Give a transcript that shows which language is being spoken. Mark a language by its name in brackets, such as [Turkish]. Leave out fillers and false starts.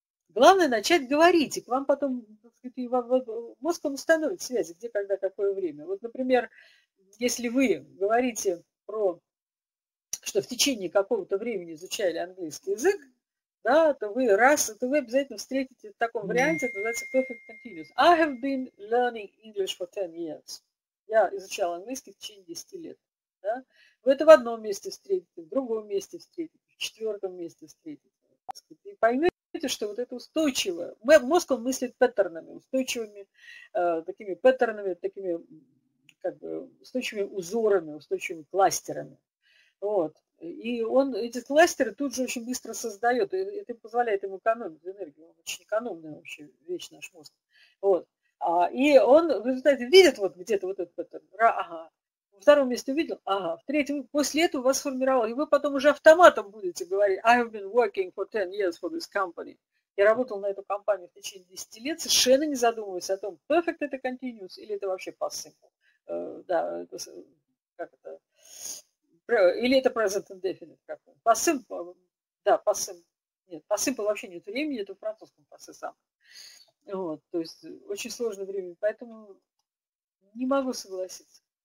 [Russian] Главное начать говорить. И к вам потом, так сказать, мозг вам установит связи, где, когда, какое время. Вот, например, если вы говорите про что в течение какого-то времени изучали английский язык, да, то вы раз, то вы обязательно встретите в таком варианте, это называется perfect continuous. [English] I have been learning English for 10 years. [Russian] Я изучал английский в течение 10 лет. Да? Вы это в одном месте встретите, в другом месте встретите, в четвертом месте встретите. И поймете, что вот это устойчиво. Мозг он мыслит паттернами, устойчивыми такими паттернами, такими как бы устойчивыми узорами, устойчивыми кластерами. Вот. И он эти кластеры тут же очень быстро создает. И это позволяет ему экономить энергию. Он очень экономная вообще вещь, наш мозг. Вот. А, и он в результате видит вот где-то вот этот паттерн. Ага. Во втором месте увидел, ага. В третьем, после этого вас сформировал. И вы потом уже автоматом будете говорить, [English] I have been working for 10 years for this company. [Russian] Я работал на эту компанию в течение 10 лет, совершенно не задумываясь о том, perfect это continuous или это вообще past simple. Да, это, как это... Или это present indefinite как-то. Пассим, да, пассим. Нет, пассим вообще нет времени, это в французском пассе сам. Вот, то есть очень сложное время, поэтому не могу согласиться.